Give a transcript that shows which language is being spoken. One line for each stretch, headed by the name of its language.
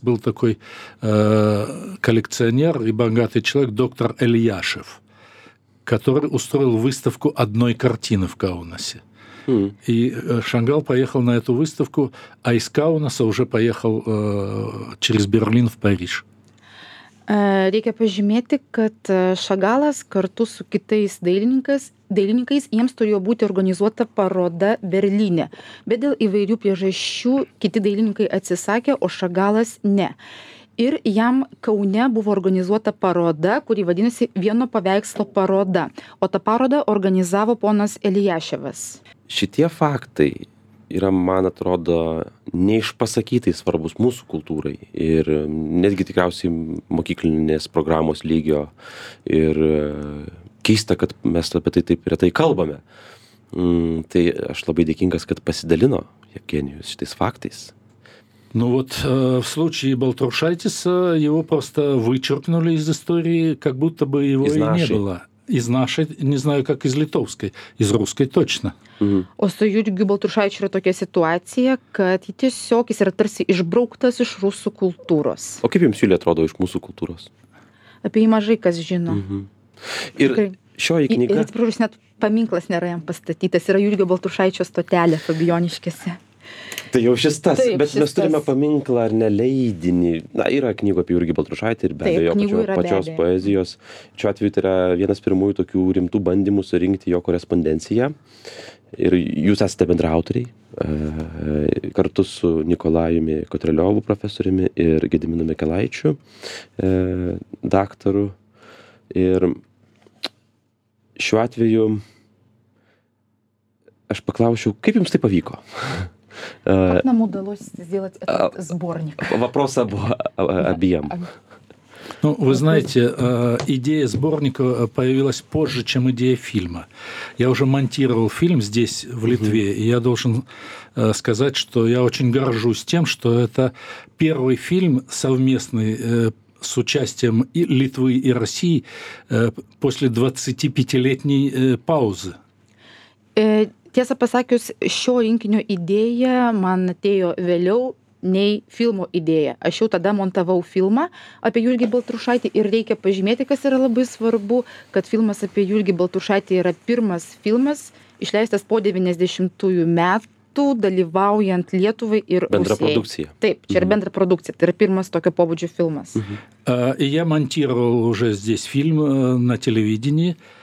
Russian: Был такой коллекционер и богатый человек, доктор Эльяшев, который устроил выставку одной картины в Каунасе. И Шагал поехал на эту выставку, а из Каунаса уже поехал через Берлин в Париж.
Lithuanian: Reikia pažymėti, kad Šagalas kartu su kitais dailininkais jiems turėjo būti organizuota paroda Berlyne. Bet dėl įvairių priežasčių kiti dailininkai atsisakė, o Šagalas ne. Ir jam Kaune buvo organizuota paroda, kuri vadinasi vieno paveikslo paroda. O tą parodą organizavo ponas Elijaševas. Šitie faktai yra, man atrodo, neišpasakytai svarbus mūsų kultūrai. Ir netgi tikriausiai mokyklinės programos lygio. Ir keista, kad mes apie tai taip retai kalbame. Tai aš labai dėkingas, kad pasidalino Evgenijus šitais faktais.
Russian: Ну вот в случае Балтрушайтиса его просто вычеркнули из истории, как будто бы его из и нашей. Не было. Из нашей, не знаю, как из литовской, из русской точно.
Lithuanian: O su Jurgiu Baltrušaičiu yra tokia situacija, kad tiesiog jis yra tarsi išbrauktas iš rusų kultūros. O kaip jums Julija atrodo iš mūsų kultūros? Apie jį mažai kas žino. Ir šioji knyga... Ir atsiprašau, net paminklas nėra jam pastatytas, yra Jurgio Baltrušaičio stotelė Fabijoniškėse. Tai jau šis tas, taip, bet šis mes turime tas. Paminklą ar neleidinį. Na, yra knygų apie Jurgį Baltrušaitį ir be taip, abejo pačios be abejo. Poezijos. Čia atveju tai yra vienas pirmųjų tokių rimtų bandymų surinkti jo korespondenciją. Ir jūs esate bendraautoriai kartu su Nikolajumi Kotreliovu profesoriumi ir Gediminu Mikelaičiu daktaru. Ir šiuo atveju aš paklausiu, kaip jums tai pavyko?
Russian: Как нам удалось сделать этот сборник? Вопрос обоим. Ну, вы знаете, идея сборника появилась позже, чем идея фильма. Я уже монтировал фильм здесь, в Литве, и я должен сказать, что я очень горжусь тем, что это первый фильм совместный с участием и Литвы, и России после 25-летней паузы.
Lithuanian: Tiesą pasakius, šio rinkinio idėja man atėjo vėliau nei filmo idėja. Aš jau tada montavau filmą apie Jurgį Baltrušaitį ir reikia pažymėti, kas yra labai svarbu, kad filmas apie Jurgį Baltrušaitį yra pirmas filmas, išleistas po 90-ųjų metų, dalyvaujant Lietuvai ir Rusijai. Bendra produkcija. Taip, čia yra bendra produkcija, tai yra pirmas tokio pobūdžio filmas.
Russian: Я монтировал уже здесь фильм на телевидении.